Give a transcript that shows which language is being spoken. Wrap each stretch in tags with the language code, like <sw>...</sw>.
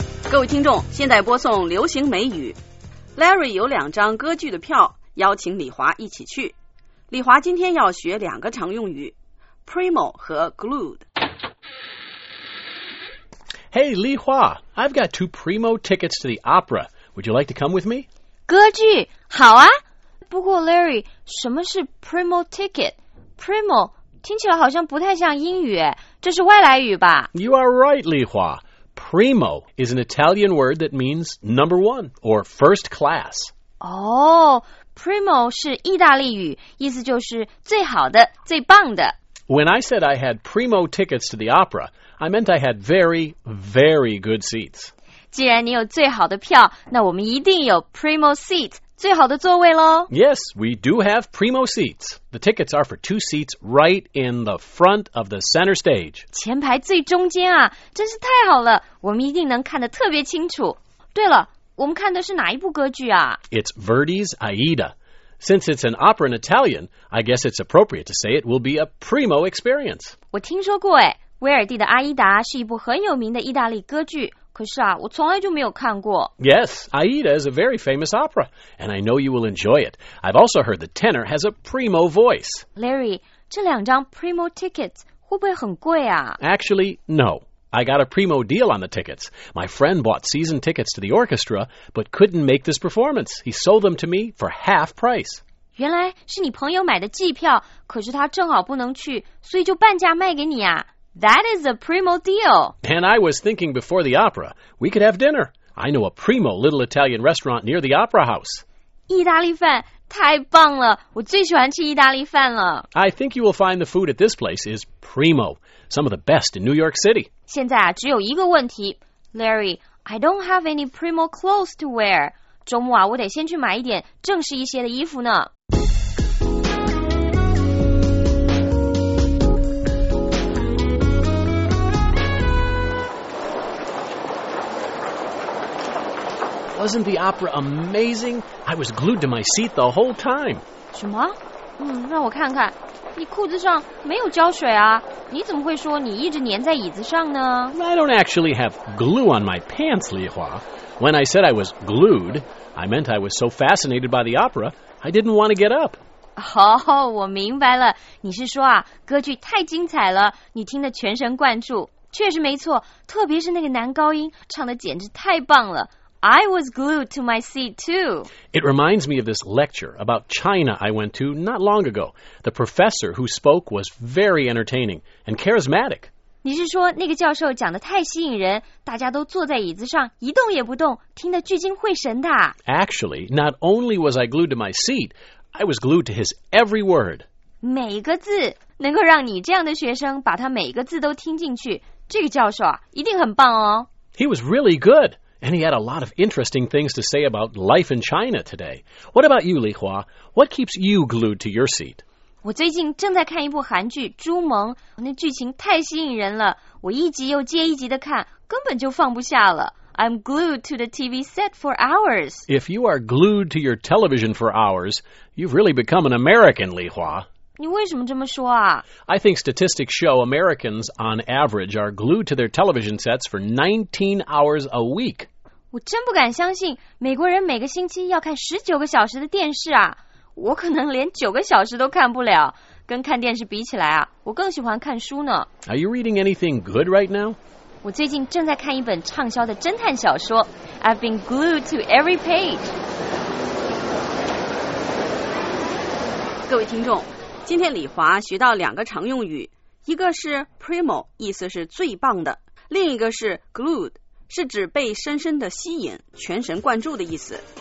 <zh>各位听众，现在播送流行美语。Larry 有两张歌剧的票，邀请李华一起去。李华今天要学两个常用语， Primo 和 Glued。</zh> <en>Hey, 李华， I've got two Primo tickets to the opera. Would you like to come with me?</en> <zh>歌剧，好啊。不过 Larry, 什么是 Primo ticket? Primo 听起来好像不太像英语，这是外来语吧？</zh> <en>You are right, 李华。 Primo is an Italian word that means number one, or first class.</en> <zh>Oh, primo 是意大利语，意思就是最好的，最棒的。</zh> <en>When I said I had primo tickets to the opera, I meant I had very, very good seats.</en> <zh>既然你有最好的票，那我们一定有 primo seats, 最好的座位咯。</zh> <en>Yes, we do have primo seats. The tickets are for two seats right in the front of the center stage.</en> <zh>前排最中间啊，真是太好了，我们一定能看得特别清楚。对了，我们看的是哪一部歌剧啊？</zh> <en>It's Verdi's Aida. Since it's an opera in Italian, I guess it's appropriate to say it will be a primo experience.</en> <zh>我听说过诶，威尔第的阿依达是一部很有名的意大利歌剧。可是啊，我从来就没有看过。</zh> <en>Yes, Aida is a very famous opera, and I know you will enjoy it. I've also heard the tenor has a primo voice.</en> <zh>Larry, 这两张 primo tickets 会不会很贵啊？</zh> <en>Actually, no. I got a primo deal on the tickets. My friend bought season tickets to the orchestra, but couldn't make this performance. He sold them to me for half price.</en> <zh>原来是你朋友买的季票，可是他正好不能去，所以就半价卖给你啊。</zh> <en>That is a primo deal. And I was thinking before the opera, we could have dinner. I know a primo little Italian restaurant near the opera house.</en> <zh>意大利饭太棒了，我最喜欢吃意大利饭了。</zh> <en>I think you will find the food at this place is primo, some of the best in New York City.</en> <zh>现在啊，只有一个问题。</zh> <en>Larry, I don't have any primo clothes to wear.</en> <zh>周末啊，我得先去买一点正式一些的衣服呢。</zh> <en>Wasn't the opera amazing? I was glued to my seat the whole time.</en> <zh>什么？让我看看，你裤子上没有胶水啊？你怎么会说你一直粘在椅子上呢？</zh> <en>I don't actually have glue on my pants, Li Hua. When I said I was glued, I meant I was so fascinated by the opera, I didn't want to get up.</en> <zh>哦，我明白了，你是说啊，歌剧太精彩了，你听得全神贯注。确实没错，特别是那个男高音，唱得简直太棒了。</zh> <en>I was glued to my seat, too. It reminds me of this lecture about China I went to not long ago. The professor who spoke was very entertaining and charismatic.</en> <zh>你是说那个教授讲得太吸引人，大家都坐在椅子上一动也不动，听得聚精会神的。</zh> <en>Actually, not only was I glued to my seat, I was glued to his every word.</en> <zh>每个字，能够让你这样的学生把他每个字都听进去，这个教授啊，一定很棒哦。</zh> <en>He was really good. And he had a lot of interesting things to say about life in China today. What about you, Li Hua? What keeps you glued to your seat?</en> <zh>我最近正在看一部韩剧《朱蒙》，那剧情太吸引人了，我一集又接一集的看，根本就放不下了。</zh> <en>I'm glued to the TV set for hours. If you are glued to your television for hours, you've really become an American, Li Hua.</en> <zh>你为什么这么说啊?</zh> <en>I think statistics show Americans, on average, are glued to their television sets for 19 hours a week.</en> <zh>我真不敢相信美国人每个星期要看19个小时的电视啊。我可能连9个小时都看不了。跟看电视比起来啊，我更喜欢看书呢。</zh> <en>Are you reading anything good right now?</en> <zh>我最近正在看一本畅销的侦探小说。</zh> <en>I've been glued to every page.</en> <zh>各位听众，今天李华学到两个常用语，一个是 primo， 意思是最棒的，另一个是 glued， 是指被深深的吸引，全神贯注的意思。</zh>